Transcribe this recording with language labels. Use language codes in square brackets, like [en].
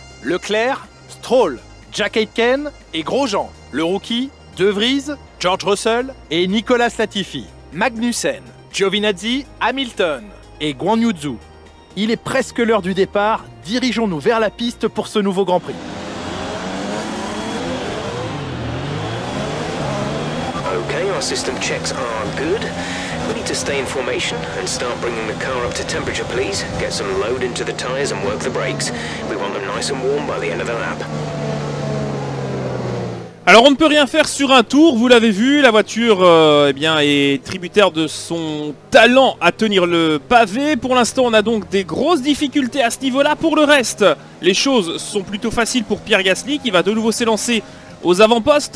[fr] Leclerc, Stroll, Jack Aitken et Grosjean. Le rookie, De Vries, George Russell et Nicolas Latifi. Magnussen, Giovinazzi, Hamilton et Guan Yu Zhou. Il est presque l'heure du départ, dirigeons-nous vers la piste pour ce nouveau Grand Prix. [en] Okay, our system checks are good. We need to stay in formation and start bringing the car up to temperature, please. Get some load into the tires and work the brakes. We want them nice and warm by the end of the lap. [fr] Alors on ne peut rien faire sur un tour, vous l'avez vu, la voiture est tributaire de son talent à tenir le pavé. Pour l'instant on a donc des grosses difficultés à ce niveau-là. Pour le reste, les choses sont plutôt faciles pour Pierre Gasly qui va de nouveau s'élancer aux avant-postes.